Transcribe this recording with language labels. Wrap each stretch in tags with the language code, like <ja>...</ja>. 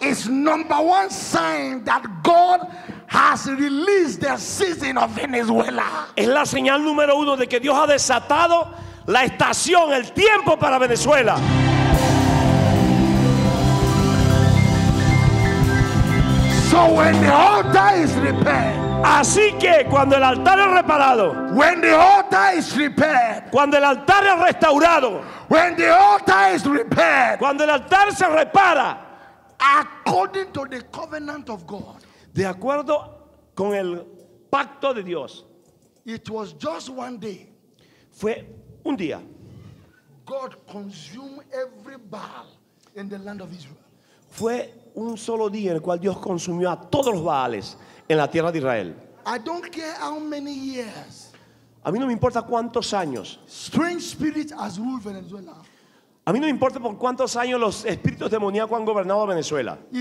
<en>It's number one sign that God has released the season of Venezuela.</en> <es>Es la señal número uno de que Dios ha desatado la estación, el tiempo para Venezuela.</es> <en>So when the altar is repaired.</en> <es>Así que cuando el altar es reparado.</es> <en>When the altar is repaired.</en> <es>Cuando el altar es restaurado.</es> <en>When the altar is repaired.</en> <es>Cuando el altar se repara.</es> <en>According to the covenant of God.</en> <es>De acuerdo con el pacto de Dios.</es> <en>It was just one day.</en> <es>Fue un día.</es> <en>God consumed every Baal in the land of Israel.</en> <es>Fue un solo día en el cual Dios consumió a todos los Baales en la tierra de Israel.</es> <en>I don't care how many years.</en> <es>A mí no me importa cuántos años.</es> <en>Strange spirits has ruled Venezuela.</en> <es>A mí no me importa por cuántos años los espíritus demoníacos han gobernado a Venezuela.</es>